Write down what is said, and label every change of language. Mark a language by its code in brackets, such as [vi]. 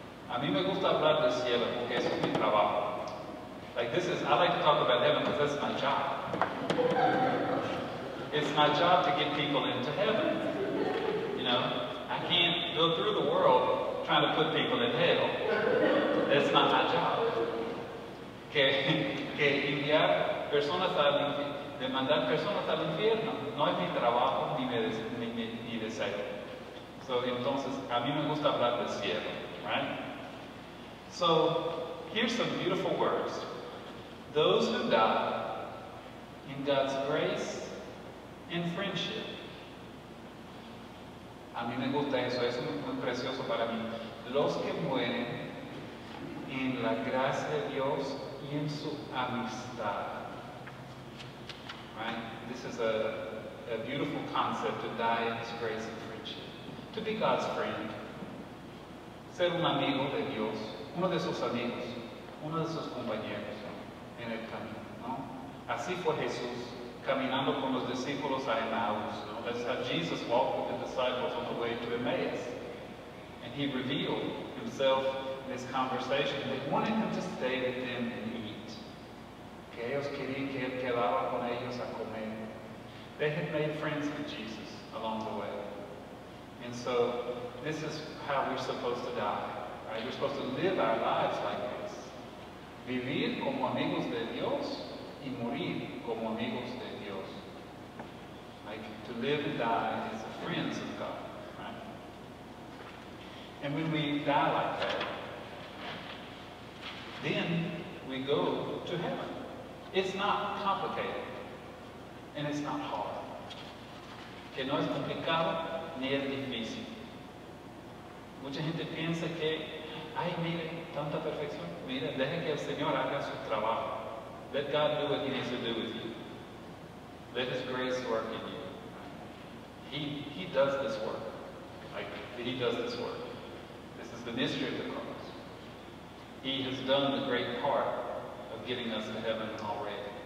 [es] A mí me gusta hablar del cielo porque es mi trabajo. [en] Like this is, I like to talk about heaven because that's my job. It's my job to get people into heaven. You know, I can't go through the world trying to put people in hell. That's not my job. [es] Que enviar personas al infierno, de mandar personas al infierno, no es mi trabajo ni deseo. So, entonces, a mí me gusta hablar del cielo, right? [en] So, here's some beautiful words. Those who die in God's grace and friendship. [es] A mí me gusta eso, es muy precioso para mí. Los que mueren en la gracia de Dios y en su amistad. [en] Right? This is a beautiful concept, to die in His grace and friendship. To be God's friend. [es] Ser un amigo de Dios. Uno de sus amigos. Uno de sus compañeros. En el camino, ¿no? Así fue Jesús caminando con los discípulos a Emmaus, ¿no? [en] That's how Jesus walked with the disciples on the way to Emmaus. And He revealed Himself in this conversation. They wanted Him to stay with them and eat. [es] Que ellos querían que Él quedara con ellos a comer. [en] They had made friends with Jesus along the way. And so, this is how we're supposed to die. Right? We're supposed to live our lives like this. [es] Vivir como amigos de Dios y morir como amigos de Dios. [en] Like, to live and die as friends of God. Right? And when we die like that, then we go to heaven. It's not complicated. And it's not hard. [es] Que no es complicado ni es difícil. Mucha gente piensa que, ay, mire, tanta perfección. Mire, deje que el Señor haga su trabajo. [en] Let God do what He needs to do with you. Let His grace work in you. He does this work. Like, He does this work. This is the mystery of the cross. He has done the great part of getting us to heaven already.